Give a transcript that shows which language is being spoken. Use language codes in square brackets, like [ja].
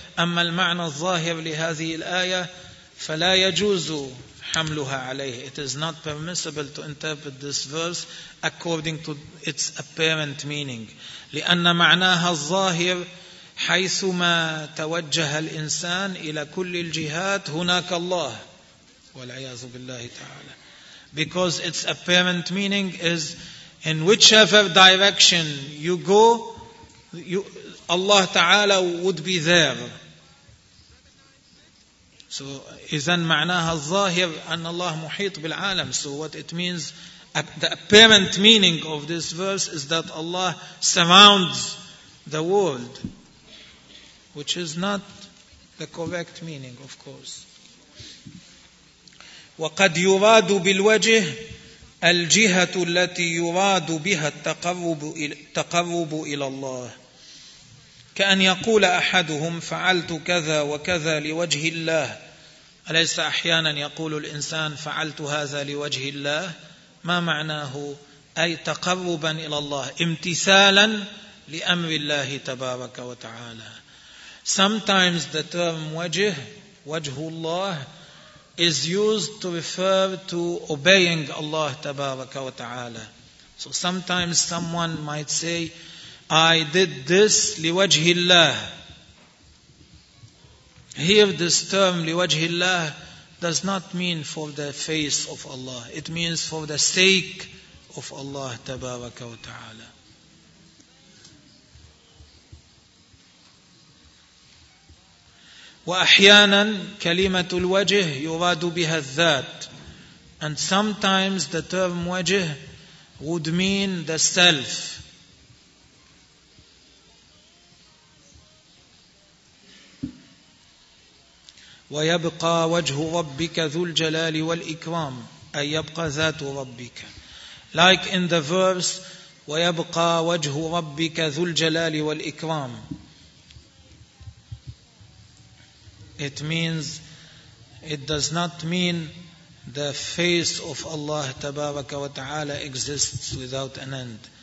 [ar] أما المعنى الظاهر لهذه الآية فلا يجوز حملها عليه. [en] It is not permissible to interpret this verse according to its apparent meaning. [ar] لأن معناها الظاهر حيثما توجه الإنسان إلى كل الجهات هناك الله والعياذ بالله تعالى. [en] Because its apparent meaning is in whichever direction you go, Allah Ta'ala would be there. [ar] So, إذن معناها الظاهر أن الله محيط بالعالم. [en] So, what it means, the apparent meaning of this verse is that Allah surrounds the world, which is not the correct meaning, of course. [ar] وَقَدْ يُرَادُ بِالْوَجِهِ الْجِهَةُ الَّتِي يُرَادُ بِهَا التَّقَرُّبُ إِلَى اللَّهِ. كَأَنْ يَقُولَ أَحَدُهُمْ فَعَلْتُ كَذَا وَكَذَا لِوَجْهِ اللَّهِ. أليس أحيانا يقول الإنسان فعلت هذا لوجه الله؟ ما معناه؟ أي تقربا إلى الله, امتثالا لأمر الله تبارك وتعالى. [en] Sometimes the term وجه, وجه الله, is used to refer to obeying Allah تبارك وتعالى. So sometimes someone might say, I did this لوجه الله. Here this term لوجه الله does not mean for the face of Allah. It means for the sake of Allah تبارك وتعالى. [ar] وأحيانا كلمة الوجه يراد بها الذات. [en] And sometimes the term وجه would mean the self. [ar] ويبقى وجه ربك ذو الجلال والإكرام أي يبقى ذات ربك. [en] Like in the verse [ar] ويبقى وجه ربك ذو الجلال والإكرام, [en] it means, it does not mean the face of Allah Tabaraka wa Ta'ala exists without an end.